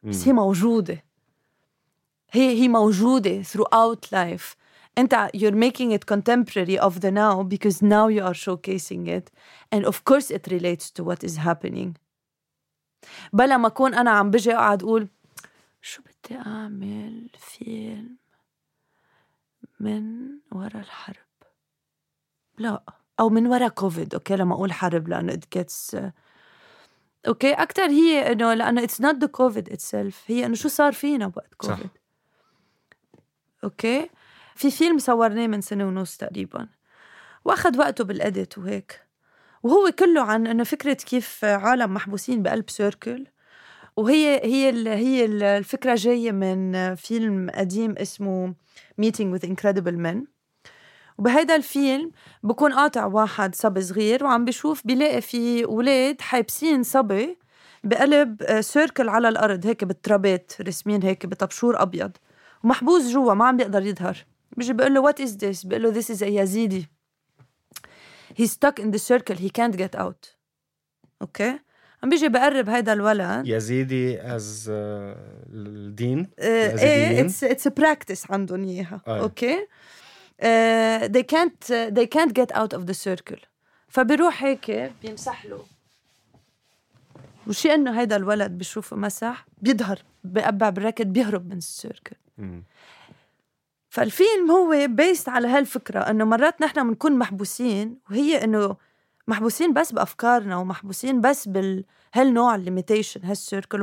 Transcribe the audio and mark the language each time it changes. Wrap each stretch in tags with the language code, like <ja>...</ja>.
<ar>بس هي موجوده, هي موجوده throughout life.</ar> <en>انت you're making it contemporary of the now because now you are showcasing it, and of course it relates to what is happening.</en> <ar>بلا ما اكون انا عم بجي اقعد اقول شو بدي اعمل فيلم من ورا الحرب, لا, او من ورا كوفيد. اوكي, لما اقول حرب لانه it gets اوكي اكثر, هي انه لانه it's not the covid itself, هي انه شو صار فينا وقت كوفيد. اوكي, في فيلم صورناه من سنه ونص تقريبا واخذ وقته بالاديت وهيك, وهو كله عن انه فكره كيف عالم محبوسين بقلب سيركل. وهي هي الفكره جايه من فيلم قديم اسمه Meeting with Incredible Men. وبهذا الفيلم بكون قاطع واحد صبي صغير وعم بشوف بيلاقي في اولاد حابسين صبي بقلب سيركل على الارض هيك بالترابيت رسمين هيك بطبشور ابيض, ومحبوس جوا ما عم بيقدر يظهر.</ar> <en>بيجي بقول له what is this, بقول له this is a Yazidi, he stuck in the circle, he can't get out.</en> <ar>اوكي, عم بيجي بقرب هيدا الولد يزيدي از الدين,</ar> <en>it's a practice عندهم اياها. Okay, they can't get out of the circle.</en> <ar>فبروح هيك بيمسح له, وشي انه هيدا الولد بشوفه مسح بيظهر بقبع براكت بيهرب من السيركل. فالفيلم هو بيست على هالفكرة, انه مرات نحن منكون محبوسين, وهي انه محبوسين بس بأفكارنا ومحبوسين بس بهالنوع الليميتيشن هالسيركل.</ar>